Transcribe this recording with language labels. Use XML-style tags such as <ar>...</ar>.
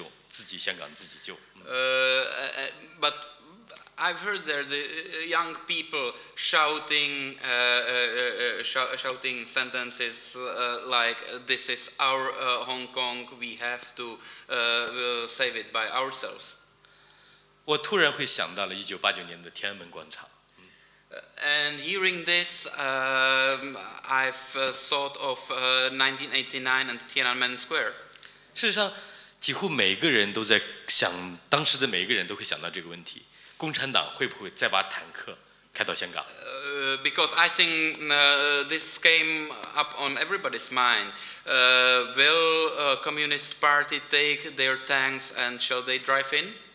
<zh>但当我走在人群中，我听到这些青年学生在喊一些口号，包括“这是我们自己的香港，我们要自己来救，自己香港自己救。”</zh> <en>But I've heard there the young people shouting sentences like "This is our Hong Kong. We have to save it by ourselves."</en> <zh>我突然会想到了1989年的天安门广场。</zh> <en>And hearing this, I've thought of 1989 and Tiananmen Square.</en> <zh>事实上，几乎每个人都在想，当时的每个人都会想到这个问题：共产党会不会再把坦克开到香港？</zh> <en>Because I think this came up on everybody's mind. Will Communist Party take their tanks and shall they drive in?</en>